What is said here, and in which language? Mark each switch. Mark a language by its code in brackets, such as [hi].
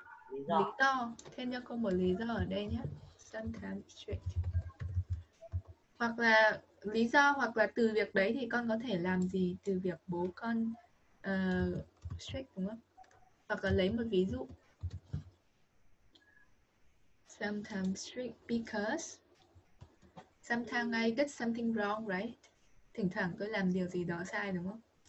[vi] lý do. Thêm cho cô một lý do ở đây nhé. [en] Sometimes strict. [vi] Hoặc là lý do hoặc là từ việc đấy thì con có thể làm gì từ việc bố con strict đúng không? Hoặc là lấy một ví dụ. [en] Sometimes strict because sometimes I did something wrong, right? [vi] Thỉnh thoảng tôi làm điều gì đó sai đúng không?